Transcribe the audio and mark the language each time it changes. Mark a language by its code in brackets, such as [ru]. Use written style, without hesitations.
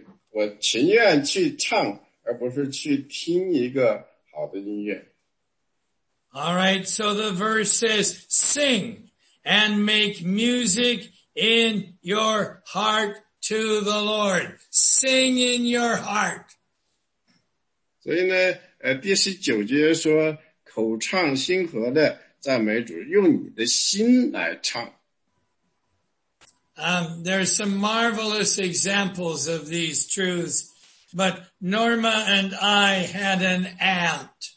[zh] 我情愿去唱，而不是去听一个好的音乐。 [en] All right, so the verse says, sing and make music in your heart to the Lord. Sing in your heart. [zh] 所以呢，第十九节说，口唱心和的赞美主，用你的心来唱。 [en] There are some marvelous examples of these truths, but Norma and I had an aunt.